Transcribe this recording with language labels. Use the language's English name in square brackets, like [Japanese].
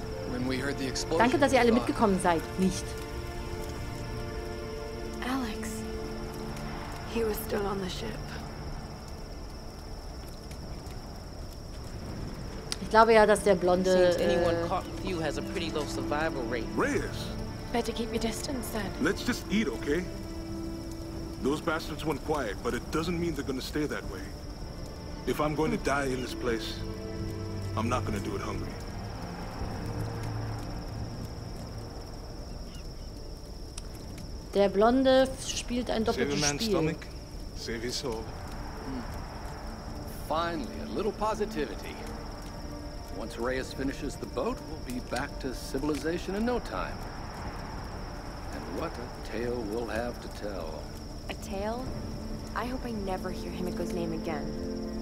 [English] When we heard the explosion, [German] danke, dass ihr alle mitgekommen seid. Nicht. [English] He was still on the ship. [German] Ich glaube ja, dass der Blonde. [English] Anyone caught with you has a pretty low survival rate. Reyes. Better keep your distance then. Let's just eat, okay? Those bastards went quiet, but it doesn't mean they're gonna stay that way. If I'm going to die in this place, I'm not gonna do it hungry. [German] Der Blonde spielt ein doppeltes Spiel. [English] Save his soul. Finally, a little positivity. Once Reyes finishes the boat, we'll be back to civilization in no time. And what a tale we'll have to tell. A tale? I hope I never hear Himiko's name again.